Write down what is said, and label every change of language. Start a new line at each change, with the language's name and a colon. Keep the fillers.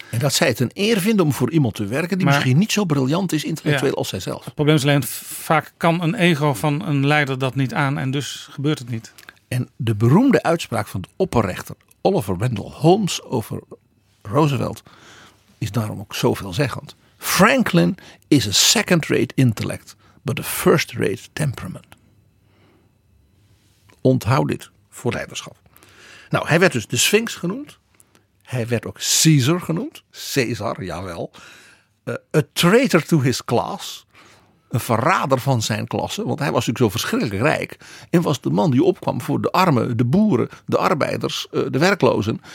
Dutch: En dat zij het een eer vinden om voor iemand te werken die maar, misschien niet zo briljant is intellectueel ja, als zijzelf. zelf. probleem is alleen, vaak kan een ego van een leider dat niet aan en dus gebeurt het niet. En de beroemde uitspraak van de opperrechter Oliver Wendell Holmes over Roosevelt is daarom ook zoveelzeggend.
English: Franklin is a second-rate intellect, but a first-rate temperament.
Dutch: Onthoud dit voor leiderschap. Nou, hij werd dus de Sphinx genoemd. Hij werd ook Caesar genoemd. Caesar, jawel. Uh,
English: a traitor to his class
Dutch: een verrader van zijn klasse. Want hij was natuurlijk zo verschrikkelijk rijk. En was de man die opkwam voor de armen, de boeren, de arbeiders, de werklozen.